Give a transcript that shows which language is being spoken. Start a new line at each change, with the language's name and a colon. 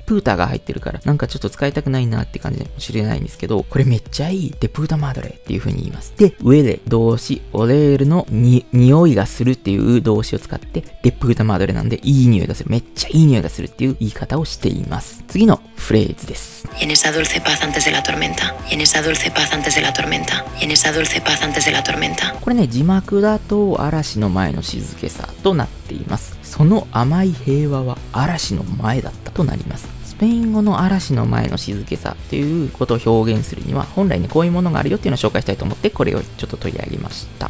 Japanese: プータが入ってるからなんかちょっと使いたくないなって感じかもしれないんですけど、これめっちゃいい、デプータマドレっていう風に言います。で、上で動詞オレールの匂いがするっていう動詞を使って、デプータマドレなんでいい匂いがする、めっちゃいい匂いがするっていう言い方をしています。次のフレーズです。
Spanish: En esa dulce paz antes de la tormenta. En esa dulce paz antes de la tormenta. En esa dulce paz antes de la tormenta.
Japanese: これね、字幕だと嵐の前の静けさとなっています。その甘い平和は嵐の前だったとなります。スペイン語の嵐の前の静けさっていうことを表現するには、本来ねこういうものがあるよっていうのを紹介したいと思って、これをちょっと取り上げました。